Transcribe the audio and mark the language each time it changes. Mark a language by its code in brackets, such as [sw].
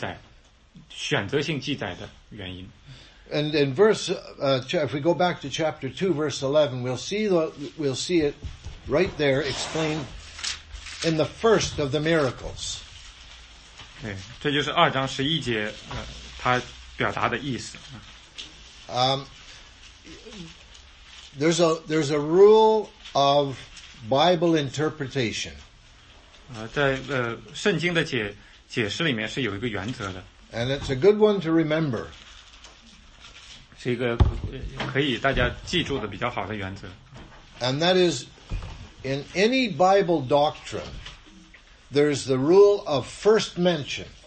[zh] 所以我们清楚地总结一下呢，约翰没有把所有东西都记下，那他记下呢，就是为了我们今天2000年以后再读到它，能够明白神在这个里面要传递给我们的真理，这就是他记载，选择性记载的原因。 [en] And in verse, if we go back to chapter 2, verse 11, we'll see it right there explained in the first of the miracles. [zh] 对，这就是二章十一节，他表达的意思。 [en] There's a rule of Bible interpretation. [zh] 在圣经的解释里面是有一个原则的。 [en] And it's a good one to remember. [zh] 是一个可以大家记住的比较好的原则。 [en] And that is, in any Bible doctrine, there's the rule of first mention.